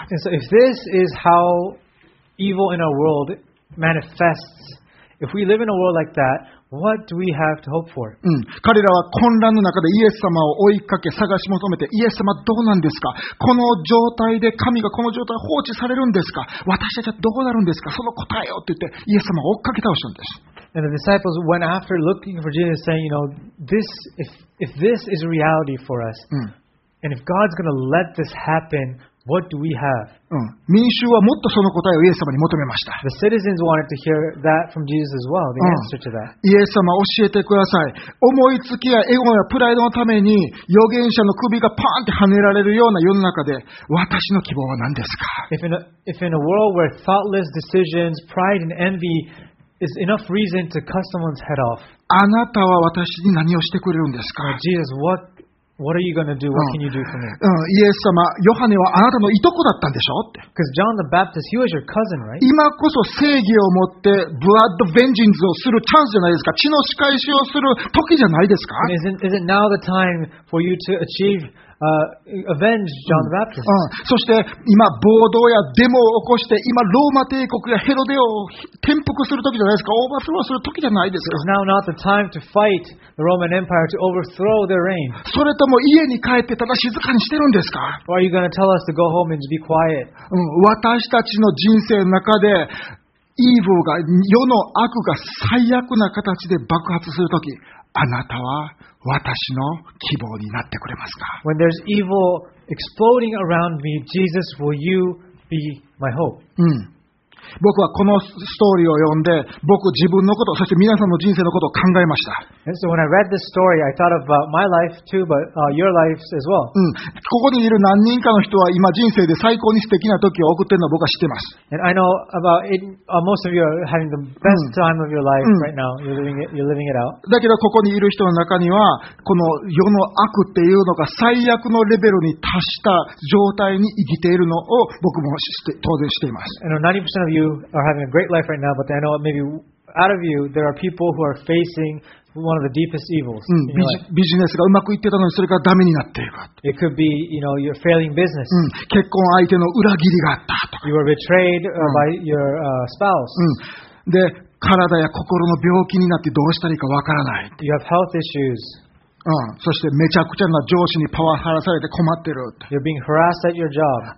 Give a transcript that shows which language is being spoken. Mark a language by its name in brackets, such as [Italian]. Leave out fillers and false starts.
[English] And so if this is how evil in our world manifests,If we live in a world like that, what do we have to hope for? [Japanese] 彼らは混乱の中でイエス様を追いかけ探し求めて、イエス様どうなんですか？この状態で神がこの状態放置されるんですか？私たちはどうなるんですか？その答えをって言ってイエス様を追っかけ倒したんです。 [English] And the disciples went after looking for Jesus, saying, you know, if this is reality for us, and if God's going to let this happen. What do we have? [Japanese] 民衆はもっとその答えをイエス様に求めました。 [English] The citizens wanted to hear that from Jesus as well, the answer to that. [Japanese] イエス様教えてください。思いつきやエゴやプライドのために預言者の首がパーンって跳ねられるような世の中で私の希望は何ですか。 [English] If in a world where thoughtless decisions, pride and envy is enough reason to cut someone's head off, [Japanese] あなたは私に何をしてくれるんですか。 [English] Jesus, What are you going to do? What can you do for me? [Japanese] イエス様、ヨハネはあなたのいとこだったんでしょう。 [English] Because John the Baptist, he was your cousin, right? [Japanese] 今こそ正義を持って [English] blood vengeance [Japanese] をするチャンスじゃないですか。血の仕返しをする時じゃないですか。 [English] Is it now the time for you to achieve? Avenge John the Baptist. [Japanese] そして今暴動やデモを起こして今ローマ帝国やヘロデを転覆する時じゃないですか。オーバースローする時じゃないですか。 [English] It's now not the time to fight the Roman Empire to overthrow their reign. [Japanese] それとも家に帰ってただ静かにしてるんですか。 [English] Or are you going to tell us to go home and be quiet? [Japanese] 私たちの人生の中でイーブルが世の悪が最悪な形で爆発する時、あなたは私の希望になってくれますか。 [English] When there's evil exploding around me, Jesus, will you be my hope? [Japanese] 僕はこのストーリーを読んで、僕自分のこと、そして皆さんの人生のことを考えました。 [English] And so when I read this story, I thought about my life too, but your lives as well. [Japanese] ここにいる何人かの人は今人生で最高に素敵な時を送っているのを僕は知っています。 [English] And I know about it, most of you are having the best time of your life right now. You're living it out. [Japanese] だけどここにいる人の中には、この世の悪っていうのが最悪のレベルに達した状態に生きているのを僕も知って当然しています。 [English] And 90% of you are having a great life right now, but I know maybe out of you, there are people who are facing... One of the deepest evils. [Japanese] ビジネスがうまくいってたのにそれがダメになっている。 [English] It could be, you know, you're failing business. [Japanese] 結婚相手の裏切りがあったとか。 [English] You were betrayed by your spouse. [Japanese] で、体や心の病気になってどうしたらいいかわからない。 [English] You have health issues. [Japanese] そしてめちゃくちゃな上司にパワハラされて困ってる。 [English] You're being harassed at your job.